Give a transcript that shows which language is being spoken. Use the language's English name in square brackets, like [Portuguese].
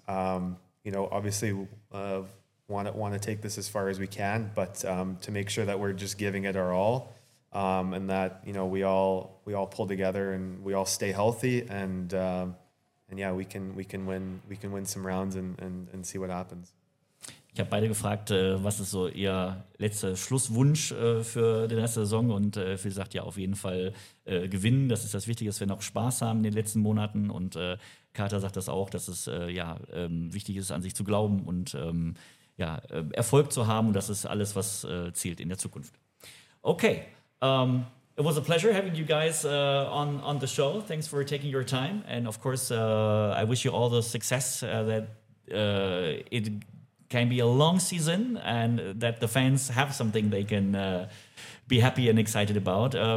[English] Obviously, want to take this as far as we can, but to make sure that we're just giving it our all, and that we all pull together and we all stay healthy, and we can win some rounds and see what happens. [German] Ich habe beide gefragt, was ist so ihr letzter Schlusswunsch für die nächste Saison, und sie sagt ja auf jeden Fall gewinnen. Das ist das Wichtige, dass wir noch Spaß haben in den letzten Monaten, und Carter sagt das auch, dass es wichtig ist, an sich zu glauben und Erfolg zu haben, und das ist alles, was zählt in der Zukunft. [English] Okay, it was a pleasure having you guys on the show. Thanks for taking your time, and of course I wish you all the success that it can be a long season, and that the fans have something they can be happy and excited about.